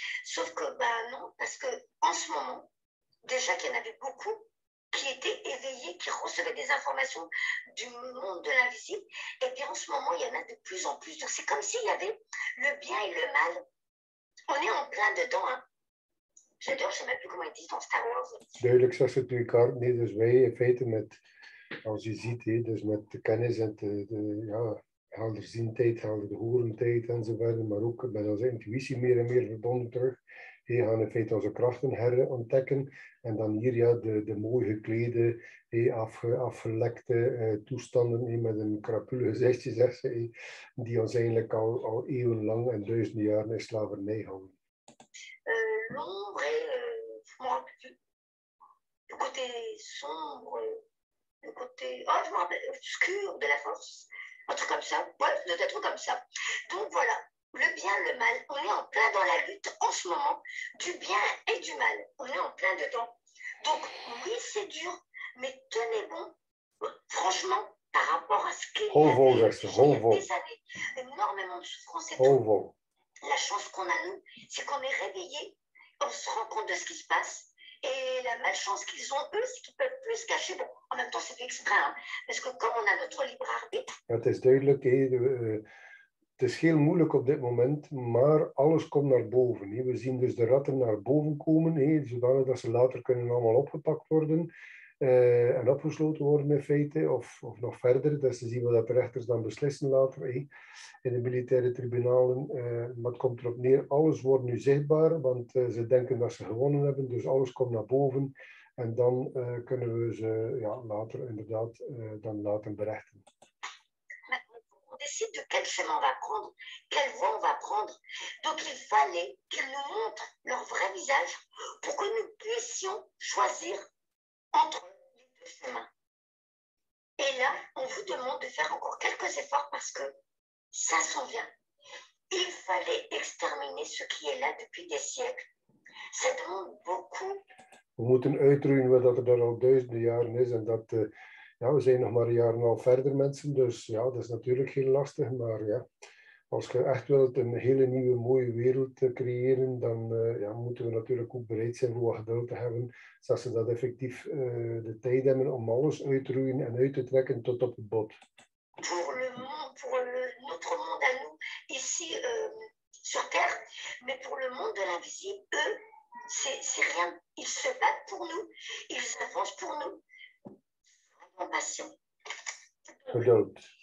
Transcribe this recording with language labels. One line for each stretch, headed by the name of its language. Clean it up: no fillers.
French: Sauf que, non, parce qu'en ce moment, déjà qu'il y en avait beaucoup qui étaient éveillés, qui recevaient des informations du monde de l'invisible, et bien en ce moment, il y en a de plus en plus. Donc c'est comme s'il y avait le bien et le mal. On est en plein dedans. Hein. J'adore, je ne sais même plus comment ils disent dans Star Wars. Duidelijk, ça c'est une carte.
Dutch: Nee, dus wij, in feite, met, als je ziet, hé, dus met de kennis en de ja, helderziendheid, helderhorendheid enzovoort, maar ook met onze intuïtie meer en meer verbonden terug. We gaan in feite onze krachten herontdekken en dan hier ja, de mooi geklede, afgelekte toestanden met een krapule gezichtje, zegt ze, die ons eigenlijk al eeuwenlang en duizenden jaren in slavernij houden.
French: L'ombre et le côté sombre, le côté obscur de la force, un truc comme ça, ouais, peut-être comme ça. Donc voilà. Le bien, le mal, on est en plein dans la lutte en ce moment, du bien et du mal, on est en plein dedans. Donc oui, c'est dur, mais tenez bon, franchement, par rapport à ce qu'il y avait, des années, énormément de souffrance et tout, la chance qu'on a nous, c'est qu'on est réveillé, on se rend compte de ce qui se passe, et la malchance qu'ils ont eux, c'est qu'ils peuvent plus se cacher, bon, en même temps c'est fait exprès, hein, parce que comme on a notre libre arbitre...
Dutch: Dat is duidelijk, het is heel moeilijk op dit moment, maar alles komt naar boven. We zien dus de ratten naar boven komen, zodanig dat ze later kunnen allemaal opgepakt worden en opgesloten worden in feite, of nog verder. Dat ze zien wat de rechters dan beslissen later in de militaire tribunalen. Maar het komt erop neer, alles wordt nu zichtbaar, want ze denken dat ze gewonnen hebben, dus alles komt naar boven. En dan kunnen we ze ja, later inderdaad dan laten berechten.
French: Décide de quel chemin on va prendre, quelle voie on va prendre. Donc, il fallait qu'ils nous montrent leur vrai visage pour que nous puissions choisir entre les deux chemins. Et là, on vous demande de faire encore quelques efforts parce que ça s'en vient. Il fallait exterminer ce qui est là depuis des siècles. Ça demande beaucoup.
Dutch: We moeten uitroeien wat dat er al duizenden jaren is en dat... Ja, we zijn nog maar een jaar en al verder mensen, dus ja, dat is natuurlijk heel lastig. Maar ja, als je echt wilt een hele nieuwe mooie wereld creëren, dan ja, moeten we natuurlijk ook bereid zijn om wat geduld te hebben. Zodat ze dat effectief de tijd hebben om alles uit te roeien en uit te trekken tot op het bod.
French: Voor le monde, pour le, notre monde à nous, ici sur Terre, mais pour le monde de l'invisible, eux, c'est rien. Ils se battent pour nous, ils avancent pour nous. Donc,